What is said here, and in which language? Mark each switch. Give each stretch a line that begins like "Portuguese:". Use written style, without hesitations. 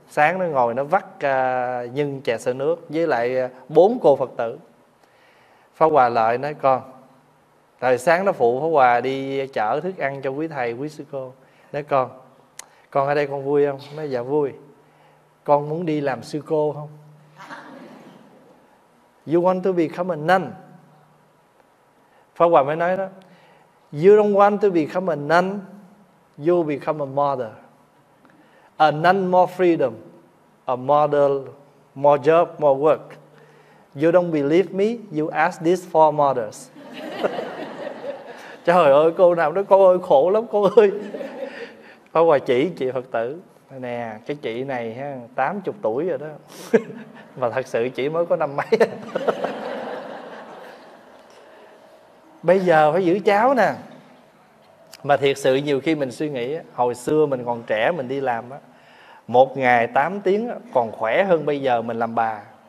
Vietnamese: Sáng nó ngồi nó vắt nhân chè sữa nước với lại 4 cô Phật tử. Pháp Hòa lại nói, con thời sáng nó phụ Pháp Hòa đi chở thức ăn cho quý thầy quý sư cô. Nói, con ở đây con vui không? Nói, dạ vui. Con muốn đi làm sư cô không?
English: You want to become a nun?
Vietnamese: Pháp Hòa mới nói đó,
English: you don't want to become a nun, you become a mother. A nun more freedom, a mother more job, more work. You don't believe me, you ask these 4 mothers.
Vietnamese: Trời ơi, cô nào nói, cô ơi khổ lắm cô ơi. Pháp Hòa chỉ chị Phật tử, nè cái chị này 80 tuổi rồi đó, mà thật sự chị mới có năm mấy. Bây giờ phải giữ cháu nè. Mà thiệt sự nhiều khi mình suy nghĩ, hồi xưa mình còn trẻ mình đi làm á, một ngày 8 tiếng còn khỏe hơn bây giờ mình làm bà.